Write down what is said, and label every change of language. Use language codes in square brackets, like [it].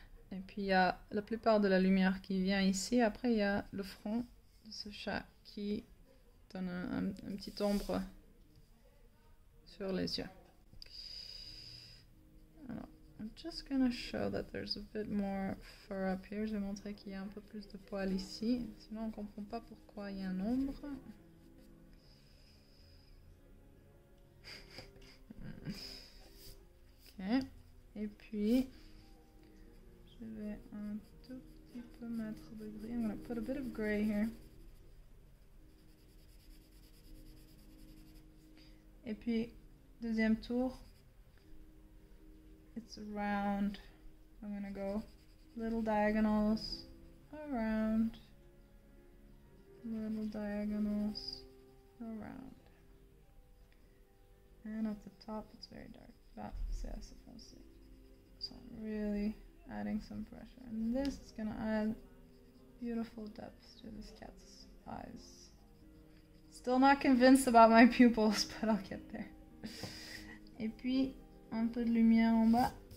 [fr] Et puis il y a la plupart de la lumière qui vient ici. Après, il y a le front de ce chat qui donne un petit ombre sur les yeux. [en] Alors, I'm just gonna show that there's a bit more fur up here. [fr] Je vais montrer qu'il y a un peu plus de poils ici. Sinon, on comprend pas pourquoi il y a un ombre. Ok. Et puis, je vais un tout petit peu mettre de gris. [en] I'm gonna put a bit of gray here. [fr] Et puis, deuxième tour, [en] it's around, I'm gonna go little diagonals, around, little diagonals, around, and at the top it's very dark, but [fr] c'est assez foncé, [en] so I'm really adding some pressure, and this is gonna add beautiful depth to this cat's eyes. Still not convinced about my pupils, but I'll get there. [fr] Et puis, un peu de lumière en bas.